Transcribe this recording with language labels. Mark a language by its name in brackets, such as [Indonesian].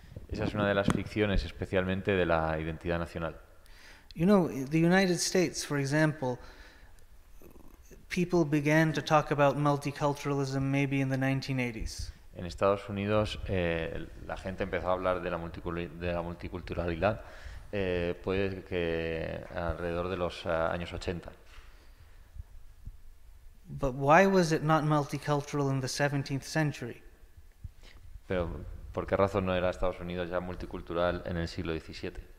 [Spanish] Esa es una de las ficciones, especialmente de la identidad nacional. [English] You know, the United States, for example, people began to talk about multiculturalism maybe in the 1980s. [Spanish] En Estados Unidos, la gente empezó a hablar de la multiculturalidad, puede que alrededor de los años 80. [English] But why was it not multicultural in the 17th century? [Spanish] Pero, ¿por qué razón no era Estados Unidos ya multicultural en el siglo XVII?